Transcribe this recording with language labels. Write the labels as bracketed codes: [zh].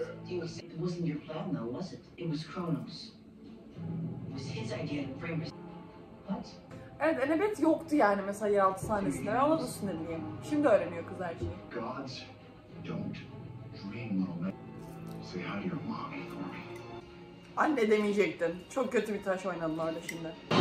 [en] It wasn't your plan though, was it? It was Kronos. It was his idea to frame us. What? [tr] Evet, Enebet yoktu yani mesela yeraltı sahnesinde. Ne oldu sinirliyim. Şimdi öğreniyor kız her şeyi. [en] Gods don't dream, little man. Say hi to your mommy for me. [tr] Anne demeyecektin. Çok kötü bir taş oynadın orada şimdi.